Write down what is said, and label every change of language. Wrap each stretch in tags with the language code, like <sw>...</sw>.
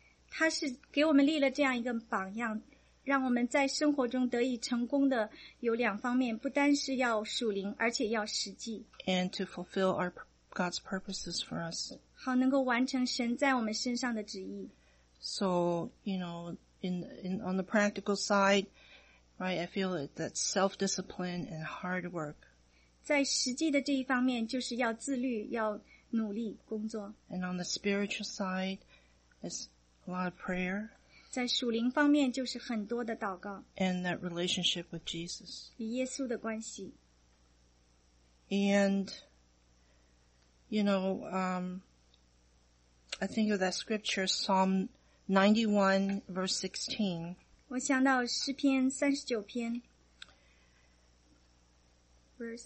<zh>他是给我们立了这样一个榜样。让我们在生活中得以成功的有两方面，不单是要属灵，而且要实际。</zh> <en>And to fulfill our God's purposes for us.</en> <zh>好，能够完成神在我们身上的旨意。</zh> <en>So, you know, in on the practical side, right, I feel it, that self-discipline and hard work.</en> <zh>在实际的这一方面，就是要自律，要努力工作。</zh> <en>And on the spiritual side, it's a lot of prayer.</en> <zh>在属灵方面就是很多的祷告</zh> <en>and that relationship with Jesus</en> <zh>与耶稣的关系</zh> <en>and you know I think of that scripture Psalm 91 verse 16</en> <zh>我想到诗篇39篇 verse</zh>